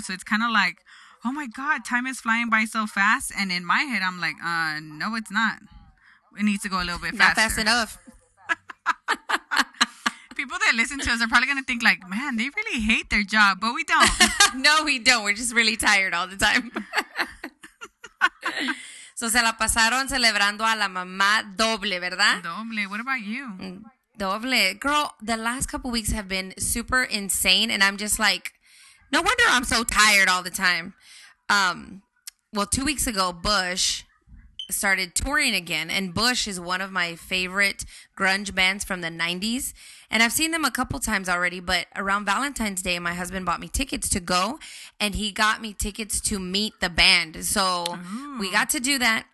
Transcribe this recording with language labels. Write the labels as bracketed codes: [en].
[en] So it's kind of like, oh, my God, time is flying by so fast. And in my head, I'm like, no, it's not. It needs to go a little bit faster. Not fast enough. People that listen to us are probably going to think like, man, they really hate their job, but we don't. No, we don't. We're just really tired all the time. [es] So se la pasaron celebrando a la mamá doble, ¿verdad? [en] Doble. What about you? Doble. Girl, the last couple weeks have been super insane, and I'm just like, no wonder I'm so tired all the time. Well, 2 weeks ago, Bush... started touring again, and Bush is one of my favorite grunge bands from the 90s, and I've seen them a couple times already, but around Valentine's Day, my husband bought me tickets to go, and he got me tickets to meet the band, so we got to do that.